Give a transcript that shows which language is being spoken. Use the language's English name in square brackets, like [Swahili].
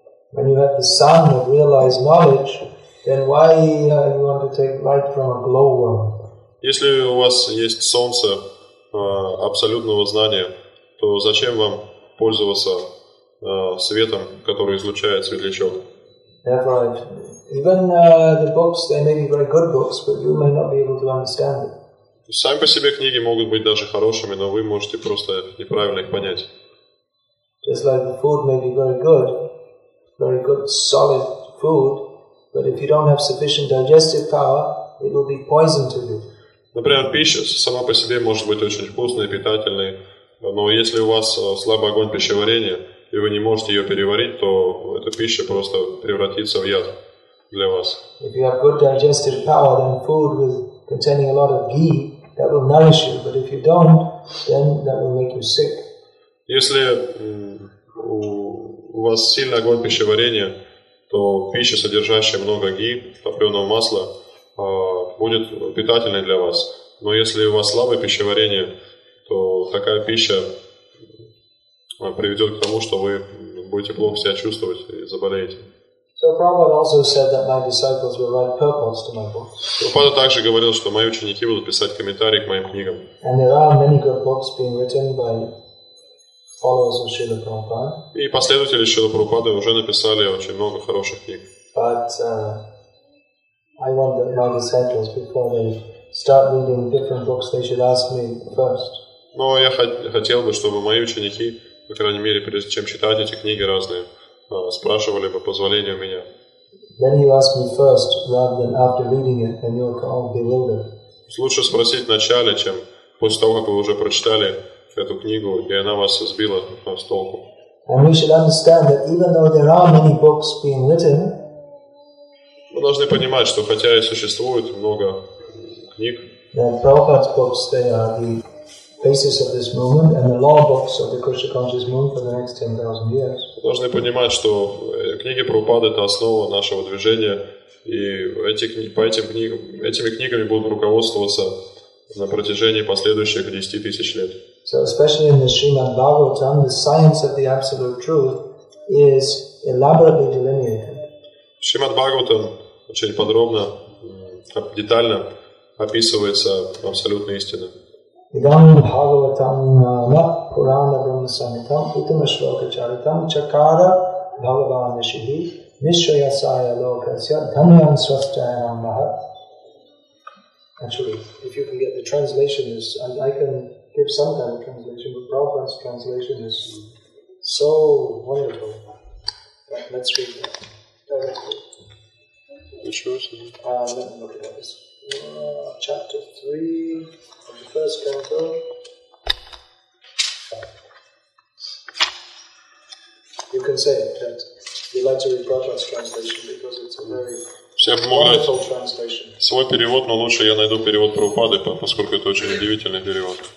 [English] When you have the sun of realized knowledge, then why you want to take light from a glowworm? [Russian] Если у вас есть солнце абсолютного знания, то зачем вам пользоваться светом, который излучает светлячок? [English] Even the books, they may be very good books, but you may not be able to understand it. [Russian] Сами по себе книги могут быть даже хорошими, но вы можете просто неправильно их понять. [English] Just like the food may be very good solid food, but if you don't have sufficient digestive power, it will be poison to you. [Russian] Например, пища сама по себе может быть очень вкусной, питательной, но если у вас слабый огонь пищеварения, и вы не можете ее переварить, то эта пища просто превратится в яд для вас. [English] If you have good digestive power, then food with containing a lot of ghee, that will nourish you, but if you don't, then that will make you sick. [Russian] Если у вас сильный огонь пищеварения, то пища, содержащая много ги, топленого масла, будет питательной для вас. Но если у вас слабое пищеварение, то такая пища приведет к тому, что вы будете плохо себя чувствовать и заболеете. [English] So Prabhupada also said that my disciples will write purports to my books. [Russian] Prabhupada также говорил, что мои ученики будут писать комментарии к моим книгам. [English] And there are many good books being written by followers of Srila Prabhupada. [Russian] И последователи Шрилы Прабхупады уже написали очень много хороших книг. [English] But I want that my disciples, before they start reading different books, they should ask me first. [Russian] Но я хотел бы, чтобы мои ученики, по крайней мере, прежде чем читать эти книги разные, спрашивали бы позволение у меня. [English] Then you ask me first, rather than after reading it, and you're all bewildered. [Russian] Лучше спросить вначале, чем после того, как вы уже прочитали эту книгу, и она вас сбила с толку. [English] And we should understand that even though there are many books being written, [Russian] мы должны понимать, что хотя и существует много книг, [English] that Prabhupada's books, they are the basis of this movement and the law books of the Krishna Conscious Movement for the next 10,000 years. [Russian] Мы должны понимать, что книги Прабхупады — это основа нашего движения, и этими книгами будут руководствоваться на протяжении последующих 10,000 лет. [English] So especially in the Srimad Bhagavatam, the science of the absolute truth is elaborately delineated. [Russian] Srimad Bhagavatam очень подробно, детально описывается абсолютная истина. [Sanskrit] Идам Бхагава там на Пурана Брамасами, там Путама Швакачари, там Чакара Бхагавана Нишиди, Нишра Ясая Локасия, Дамьян Свастая Маха. [English] Actually, if you can get the translation, is I can give some kind of translation, but Prabhupada's translation is so wonderful. Right, let's read that. Let me look at this. Chapter 3 of the first canto. You can say it, but you'd like to read Prabhupada's translation because it's a very... [Russian] Все обмывают свой перевод, но лучше я найду перевод Прабхупады, поскольку это очень удивительный перевод.